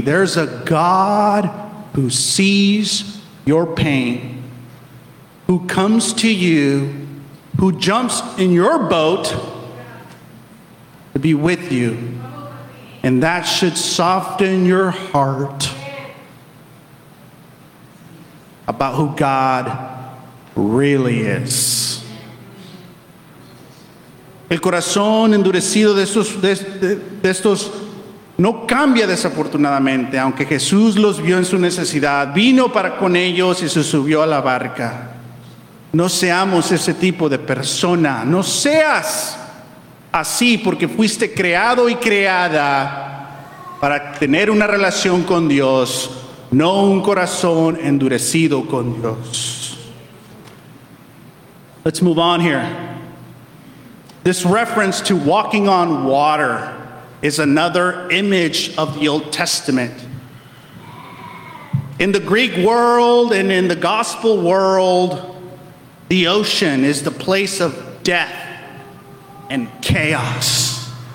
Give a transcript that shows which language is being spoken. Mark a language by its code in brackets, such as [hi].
[en] There's a God who sees your pain, who comes to you, who jumps in your boat to be with you. And that should soften your heart about who God really is. [es] El corazón endurecido de estos no cambia desafortunadamente, aunque Jesús los vio en su necesidad, vino para con ellos y se subió a la barca. No seamos ese tipo de persona. No seas así, porque fuiste creado y creada para tener una relación con Dios, no un corazón endurecido con Dios. [en] Let's move on here. This reference to walking on water is another image of the Old Testament. In the Greek world and in the gospel world, the ocean is the place of death and chaos.